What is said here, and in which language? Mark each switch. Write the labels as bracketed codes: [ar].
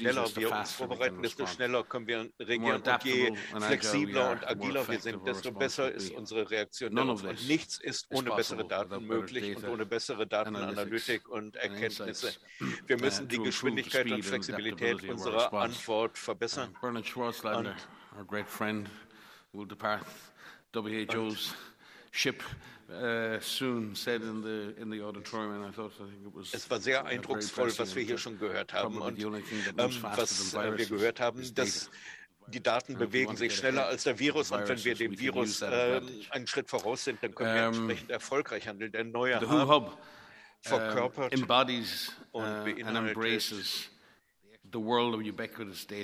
[de] je schneller wir uns vorbereiten, desto schneller können wir reagieren. Und je flexibler und agiler wir sind, desto besser ist unsere Reaktion. Und nichts ist ohne bessere Daten möglich und ohne bessere Datenanalytik und Erkenntnisse. Wir müssen die Geschwindigkeit und Flexibilität unserer Antwort verbessern. [en] Bernard Schwarzlander, our great friend, will depart WHO's ship soon, said in the auditorium, and I thought, I think it was. [de] Es war sehr eindrucksvoll, was wir hier schon gehört haben, und was wir gehört haben, dass die Daten bewegen sich schneller als der Virus, und wenn wir dem Virus einen Schritt voraus sind, dann können wir entsprechend erfolgreich handeln. Der neue [en] Hub [de] verkörpert [en] embodies and embraces the world of ubiquitous data,